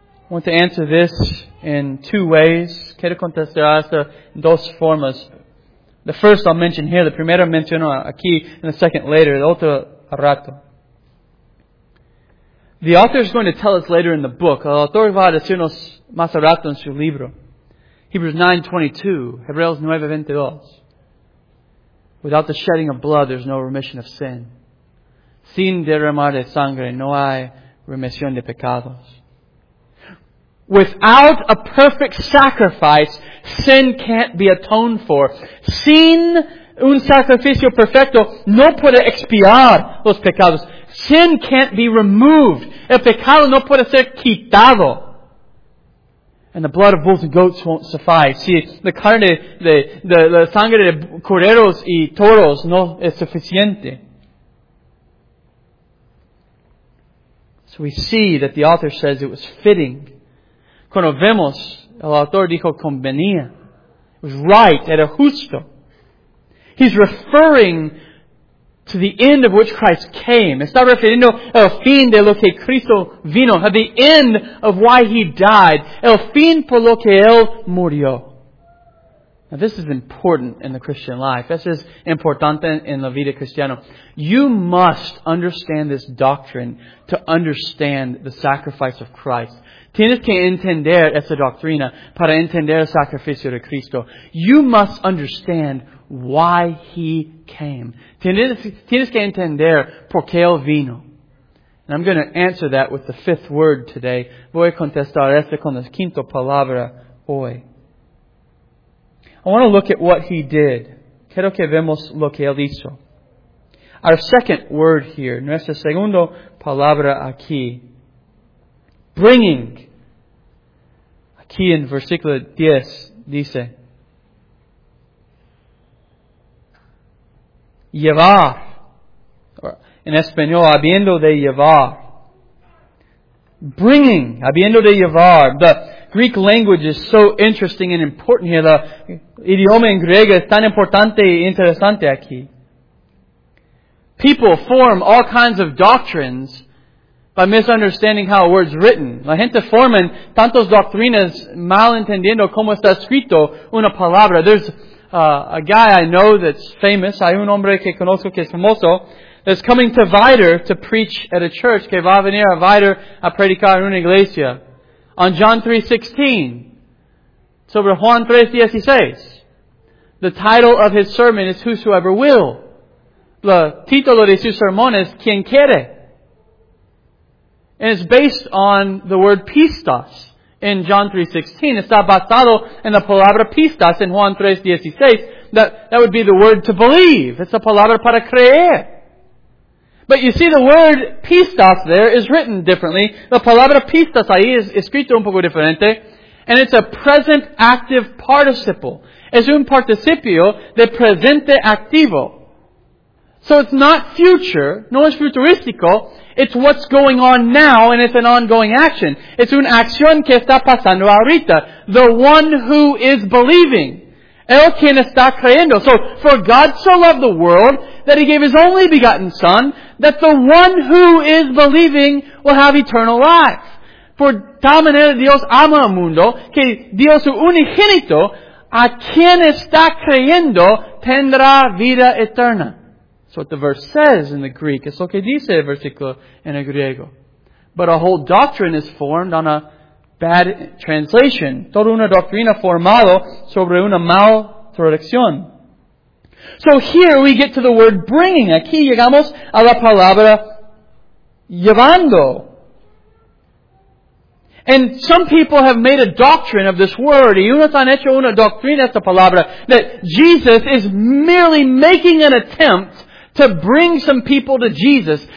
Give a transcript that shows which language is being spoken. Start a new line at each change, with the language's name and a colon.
English: I want to answer this in two ways.
Spanish: Quiero contestar esto en dos formas.
English: The first I'll mention here, the
Spanish: primero menciono aquí,
English: and the second later,
Spanish: el otro al rato.
English: The author is going to tell us later in the book.
Spanish: El autor va a decirnos más al rato en su libro. Hebreos 9:22.
English: Without the shedding of blood, there's no remission of sin.
Spanish: Sin derramar de sangre, no hay remisión de pecados.
English: Without a perfect sacrifice, sin can't be atoned for.
Spanish: Sin un sacrificio perfecto, no puede expiar los pecados.
English: Sin can't be removed.
Spanish: El pecado no puede ser quitado.
English: And the blood of bulls and goats won't suffice.
Spanish: Si la carne, la sangre de corderos y toros no es suficiente.
English: So we see that the author says it was fitting.
Spanish: Cuando vemos, el autor dijo convenía.
English: It was right,
Spanish: era justo.
English: He's referring to the end of which Christ came.
Spanish: Está refiriendo al fin de lo que Cristo vino.
English: At the end of why he died.
Spanish: El fin por lo que él murió.
English: Now, this is important in the Christian life. This is
Spanish: importante en la vida cristiana.
English: You must understand this doctrine to understand the sacrifice of Christ.
Spanish: Tienes que entender esa doctrina para entender el sacrificio de Cristo.
English: You must understand why He came.
Spanish: Tienes que entender por qué Él vino.
English: And I'm going to answer that with the fifth word today.
Spanish: Voy a contestar esto con la quinta palabra hoy.
English: I want to look at what He did.
Spanish: Quiero que vemos lo que Él hizo.
English: Our second word here,
Spanish: nuestra segunda palabra aquí, bringing. Aquí en versículo 10 dice, llevar. En español, habiendo de llevar. Bringing, habiendo de llevar.
English: The Greek language is so interesting and important here. The
Spanish: idioma en griego es tan importante e interesante aquí.
English: People form all kinds of doctrines by misunderstanding how a word's written.
Spanish: La gente forma tantas doctrinas mal entendiendo cómo está escrito una palabra.
English: There's a guy I know that's famous.
Spanish: Hay un hombre que conozco que es famoso.
English: That's coming to Vider to preach at a church.
Spanish: Que va a venir a Vider a predicar en una iglesia.
English: On John 3:16,
Spanish: sobre Juan 3:16,
English: the title of his sermon is Whosoever Will.
Spanish: The título de su sermón is Quien Quiere.
English: And it's based on the word pistos in John 3:16.
Spanish: Está basado en la palabra pistos in Juan 3:16.
English: That would be the word to believe. It's a
Spanish: palabra para creer.
English: But you see, the word pistos there is written differently.
Spanish: The palabra pistos ahí es escrito un poco diferente.
English: And it's a present active participle.
Spanish: Es un participio de presente activo.
English: So it's not future,
Spanish: no es futurístico.
English: It's what's going on now, and it's an ongoing action. It's
Spanish: una acción que está pasando ahorita.
English: The one who is believing.
Spanish: El quien está creyendo.
English: So, for God so loved the world that He gave His only begotten Son, that the one who is believing will have eternal life.
Spanish: For tal manera Dios ama al mundo, que Dios su unigénito, a quien está creyendo, tendrá vida eterna.
English: That's what the verse says in the Greek.
Spanish: Es lo que dice el versículo en el griego.
English: But a whole doctrine is formed on a bad translation.
Spanish: Toda una doctrina formada sobre una mal traducción.
English: So here we get to the word bringing.
Spanish: Aquí llegamos a la palabra llevando.
English: And some people have made a doctrine of this word.
Spanish: Y unos han hecho una doctrina, esta palabra,
English: that Jesus is merely making an attempt to bring some people to Jesus.